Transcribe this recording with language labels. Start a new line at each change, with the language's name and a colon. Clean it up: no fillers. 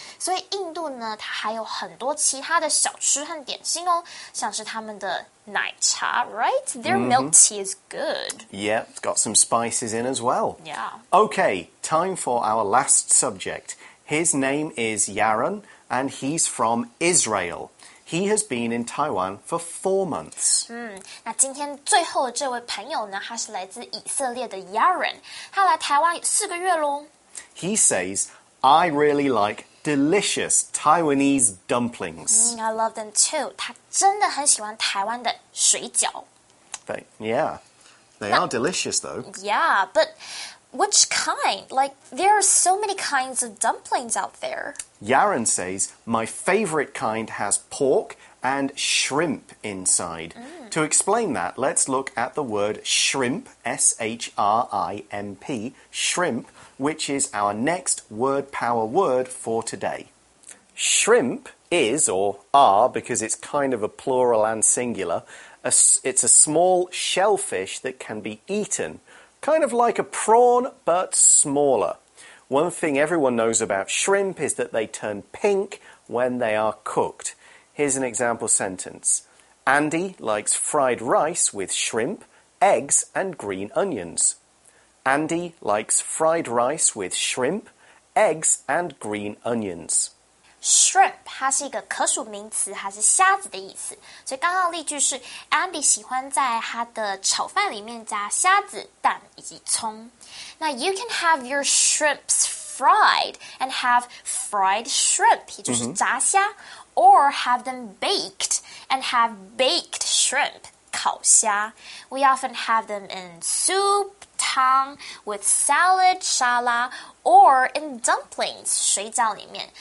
Chinese: 所以印度呢，它还有很多其他的小吃和点心哦，像是他们的奶茶 ，
English: right? Their milk tea is good. Yeah, it's got some spices in as well. Yeah. Okay, time for our last subject. His name is Yaron, and he's from Israel. He has been in Taiwan for 4 months.
Chinese: 那今天最后的这位朋友呢，他是来自以色列的 Yaron， 他来台湾四个月咯。
English: He says, I really like delicious Taiwanese dumplings. I love them too.
Chinese: 他真的很喜欢台湾的水饺。
English: They are delicious though. Yeah, but which kind? Like, there are so many kinds of dumplings out there. Yaron says, my favorite kind has pork and shrimp inside. Mm. To explain that, let's look at the word shrimp, S-H-R-I-M-P, shrimp, which is our next word power word for today. Shrimp is, or are, because it's kind of a plural and singular, it's a small shellfish that can be eaten, kind of like a prawn, but smaller. One thing everyone knows about shrimp is that they turn pink when they are cooked. Here's an example sentence. Andy likes fried rice with shrimp, eggs, and green onions. Andy likes fried rice with shrimp, eggs, and green onions.
Chinese: Shrimp, 它是一个可数名词，它是虾子的意思。所以刚刚的例句是 Andy 喜欢在他的炒饭里面加虾子、蛋以及葱。
English: Now you can have your shrimps fried and have fried shrimp,
Chinese: 也就是炸虾、
English: or have them baked and have baked shrimp,
Chinese: 烤虾。
English: We often have them in soup,汤, with salad, 沙拉, or in dumplings,
Chinese: 水饺里面。